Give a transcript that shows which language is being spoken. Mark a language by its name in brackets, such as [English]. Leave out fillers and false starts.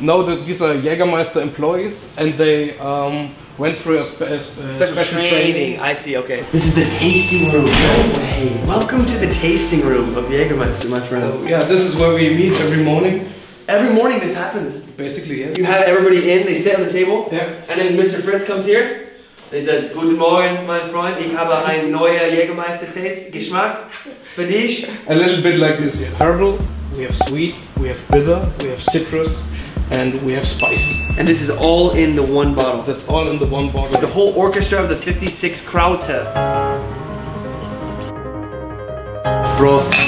[English] No, these are Jägermeister employees and they went through a special training. I see, okay. This is the tasting room. No way. Welcome to the tasting room of Jägermeister, my friends. So, yeah, this is where we meet every morning. Every morning this happens. Basically, yes. You have everybody in, they sit on the table. Yeah. And then Mr. Fritz comes here and he says, [German] Guten Morgen, mein Freund. Ich habe ein neuer Jägermeister-Taste, Geschmack, für dich. [English] A little bit like this, yes. Herbal, we have sweet, we have bitter, we have citrus, and we have spicy. And this is all in the one bottle. That's all in the one bottle. The whole orchestra of the 56 Krauter. [German] Prost.